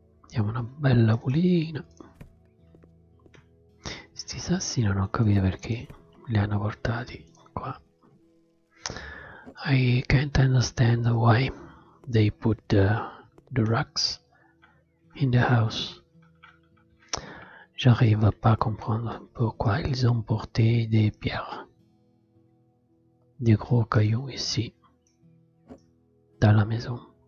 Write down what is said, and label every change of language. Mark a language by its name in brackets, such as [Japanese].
[Italian] Diamo una bella pulina. Sti sassi non ho capito perché li hanno portati qua. [English] I can't understand why they put the rocks in the house. [French] J'arrive à pas comprendre pourquoi ils ont porté des pierres, des gros cailloux ici, dans la maison.